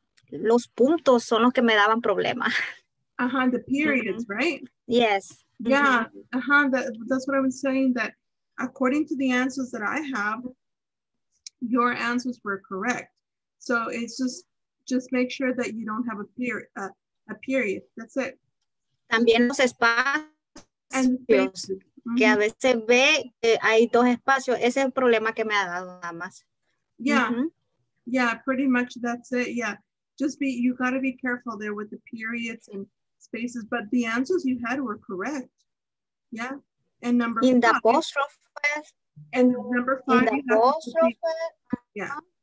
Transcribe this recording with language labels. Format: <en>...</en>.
<es>Los puntos son los que me daban problema.</es> <en>Uh-huh, the periods, mm-hmm. Right? Yes. Yeah, mm-hmm. Uh-huh, that's what I was saying, that according to the answers that I have, your answers were correct. So it's just make sure that you don't have a period, that's it.</en> <es>También los espacios,</es> <en>and spaces.</en> <es>Mm-hmm. Que a veces ve que hay dos espacios, ese es el problema que me ha dado nada más.</es> <en>Yeah, mm-hmm. Yeah, pretty much that's it, yeah. Just you got to be careful there with the periods and spaces, but the answers you had were correct. Yeah. And number in five. The apostrophe. And number five. In the apostrophe. Yeah.</en>